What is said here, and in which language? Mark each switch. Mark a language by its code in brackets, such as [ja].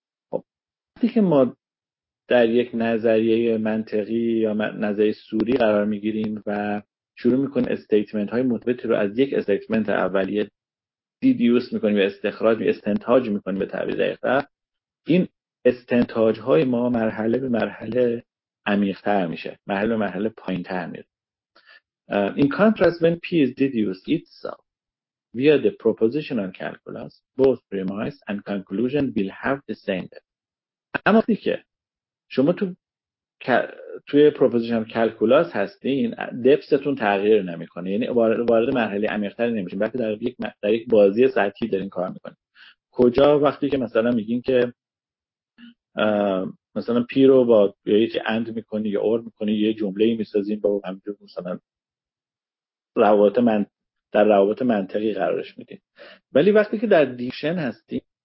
[fa] خب، وقتی که ما در یک نظریه منطقی یا نظریه سوری قرار میگیریم و شروع میکنیم استیتمنت های مثبتی رو از یک استیتمنت اولیه دیدیوس میکنیم یا استخراج و استنتاج میکنیم به تعبیر دقیق‌تر، این استنتاج های ما مرحله به مرحله عمیق‌تر میشه، مرحله به مرحله پایین‌تر میره. [en] In contrast, when P is deduced itself via the propositional calculus, both premise and conclusion will have the same depth. [fa] اما که شما توی پروپوزیشن کلکولاس هستین، دپستون تغییر نمیکنه، یعنی وارد مرحله عمیق‌تر نمیشین، بلکه در یک بازی سطحی دارین کار میکنین. کجا؟ وقتی که مثلا میگین که مثلا پی رو با یه اند میکنی یا اور میکنی، یه جمله‌ای میسازین با همینجور مثلا در روابط منطقی قرارش میدین. ولی وقتی که در دیکشن هستین،